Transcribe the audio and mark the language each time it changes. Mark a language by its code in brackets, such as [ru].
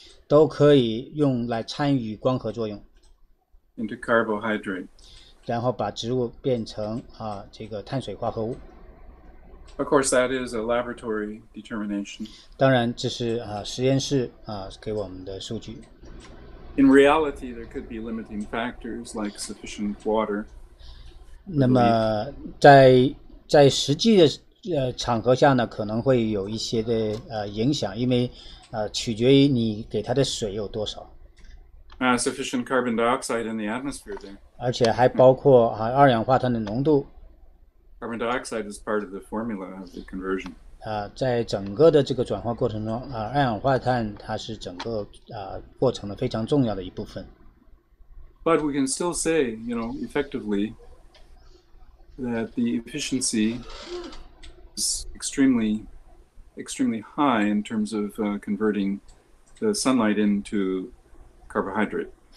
[zh] 都可以用来参与光合作用, [en] into carbohydrate, [zh] 然后把植物变成, 这个碳水化合物。 [en] Of course, that is a laboratory determination. [zh] 当然这是, 实验室, 给我们的数据。 [en] in reality, there could be limiting factors like sufficient water. [zh] 那么在实际的场合下呢，可能会有一些的影响，因为取决于你给它的水有多少。 [en] Sufficient carbon dioxide in the atmosphere there. [zh] 而且还包括二氧化碳的浓度。 [en] Carbon dioxide is part of the formula of the conversion. [zh] 在整个的这个转化过程中，二氧化碳它是整个过程的非常重要的一部分。 [en] But we can still say, you know, effectively, that the efficiency is extremely, extremely high in terms of converting the sunlight into carbohydrate.